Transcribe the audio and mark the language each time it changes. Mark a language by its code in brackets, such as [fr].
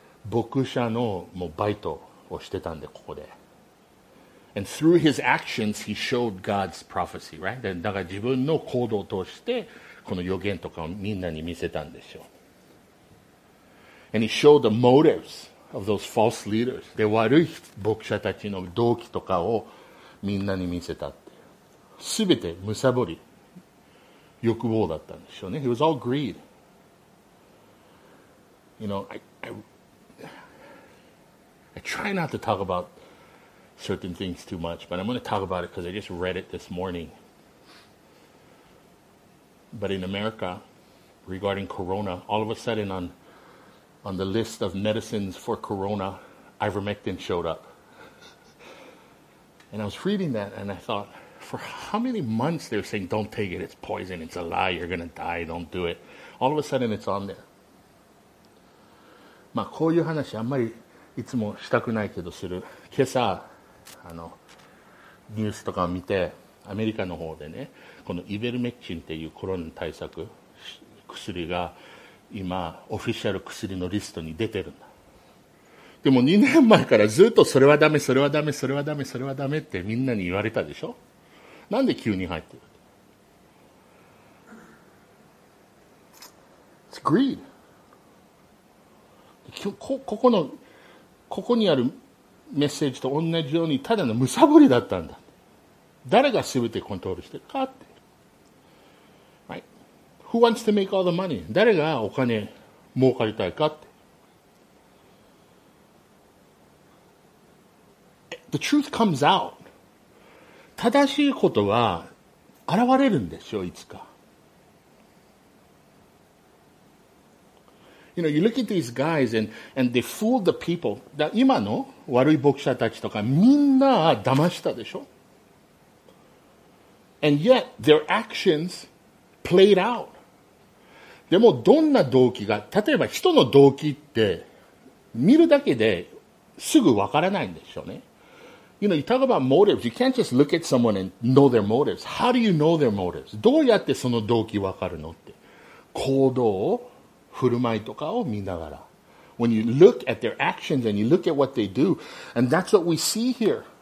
[ja] 牧者のもうバイトをしてたんで、ここで。 [en] And through his actions, he showed God's prophecy, right? [ja] だから自分の行動としてこの予言とかをみんなに見せたんでしょう。 [en] And he showed the motives of those false leaders. [ja] で、悪い牧者たちの動機とかをみんなに見せたって。全て貪り欲望だったんでしょうね。 [en] It was all greed. You know, I try not to talk about certain things too much, but I'm going to talk about it because I just read it this morning. But in America, regarding corona, all of a sudden on the list of medicines for corona, ivermectin showed up. And I was reading that and I thought, for how many months they're saying, don't take it, it's poison, it's a lie, you're going to die, don't do it. All of a sudden it's on there. [ja] まあこういう話あんまりいつもしたくないけどする。今朝あのニュースとかを見て、アメリカの方でね、このイベルメクチンっていうコロナ対策薬が今オフィシャル薬のリストに出てるんだ。でも2年前からずっとそれはダメ、それはダメ、それはダメ、それはダメってみんなに言われたでしょ。なんで急に入ってる。 [en] It's greed. [ja] ここにあるメッセージと同じようにただのむさぼりだったんだ。誰が全てコントロールしてるかって、right? [en] Who wants to make all the money? [ja] 誰がお金儲かりたいかって。 [en] The truth comes out. [ja] 正しいことは現れるんでしょう、いつか。 [en] You know, you look at these guys and they fooled the people. [ja] だ今の悪い牧者たちとかみんな騙したでしょ。 [en] And yet, their actions played out. [ja] でもどんな動機が、例えば人の動機って見るだけですぐわからないんでしょうね。 [en] You know, you talk about motives. You can't just look at someone and know their motives. How do you know their motives? [ja] どうやってその動機わかるのって。行動、振る舞いとかを見ながら。 [en] When you look at their actions and you look at what they do, and that's what we see here.